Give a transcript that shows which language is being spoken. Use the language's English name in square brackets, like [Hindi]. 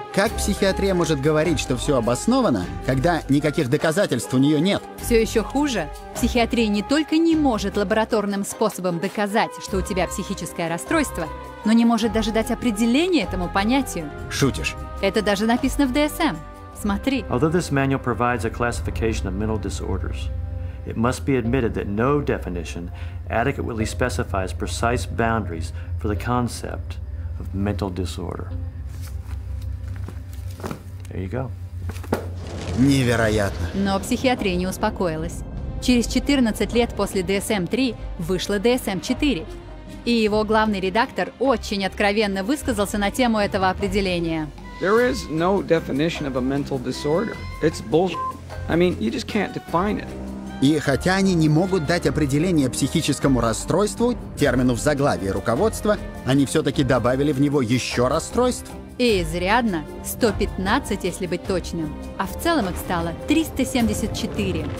[Russian] Как психиатрия может говорить, что все обосновано, когда никаких доказательств у нее нет? Все еще хуже. Психиатрия не только не может лабораторным способом доказать, что у тебя психическое расстройство, но не может даже дать определение этому понятию. Шутишь? Это даже написано в DSM. Смотри. [English] Although this manual provides a classification of mental disorders, it must be admitted that no definition adequately specifies precise boundaries for the concept of mental disorder. There you go. [Russian] Невероятно. Но психиатрия не успокоилась. Через 14 лет после DSM-3 вышла DSM-4. И его главный редактор очень откровенно высказался на тему этого определения. [English] There is no definition of a mental disorder. It's bullshit. I mean, you just can't define it. [Russian] И хотя они не могут дать определение психическому расстройству, термину в заглавии руководства, они все-таки добавили в него еще расстройств. И изрядно. 115, если быть точным. А в целом их стало 374.